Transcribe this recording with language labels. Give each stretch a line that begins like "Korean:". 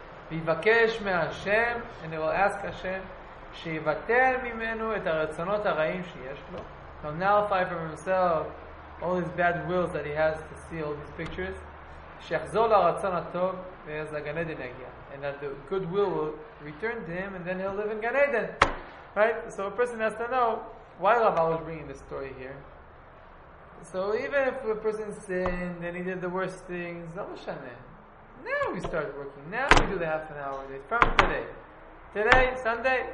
Hebrew: ויבקש מהשם,
English: and he will ask Hashem,
Hebrew: שיבטל ממנו את הרצונות הרעים שיש לו.
English: He'll nullify from himself all his bad wills that he has to see all these pictures.
Hebrew: שיחזור לרצון הטוב, ואז לגן עדן יגיע.
English: And that the good will return to him, and then he'll live in Gan Eden. Right? So a person has to know, why Rav Al is bringing this story here? So even if a person sinned and he did the worst things, Zal Hashanah. Now we start working. Now we do the half an hour a day. From today. Today, Sunday.